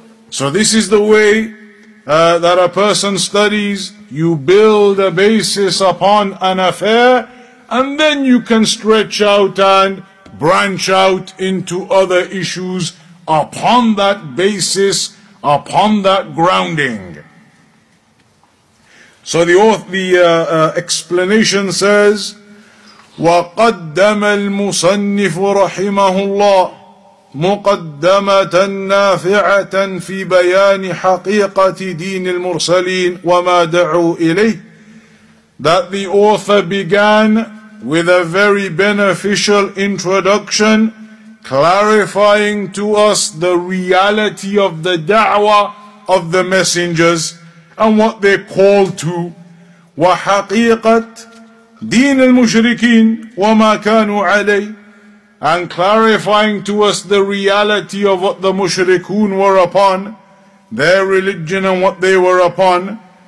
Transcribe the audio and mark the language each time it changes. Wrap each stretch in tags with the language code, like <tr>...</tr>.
<en>So this is the way that a person studies. You build a basis upon an affair, and then you can stretch out and branch out into other issues upon that basis, upon that grounding. So the explanation says,</en> <ar>وقدم المصنف رحمه الله مقدمة نافعة في بيان حقيقة دين المرسلين وما دعوا إليه.</ar> <en>That the author began with a very beneficial introduction, clarifying to us the reality of the da'wah of the messengers and what they called to.</en> <ar>وَحَقِيقَةَ دِينَ الْمُشْرِكِينَ وَمَا كَانُوا عَلَيْهِ,</ar> <en>and clarifying to us the reality of what the mushrikun were upon, their religion and what they were upon.</en>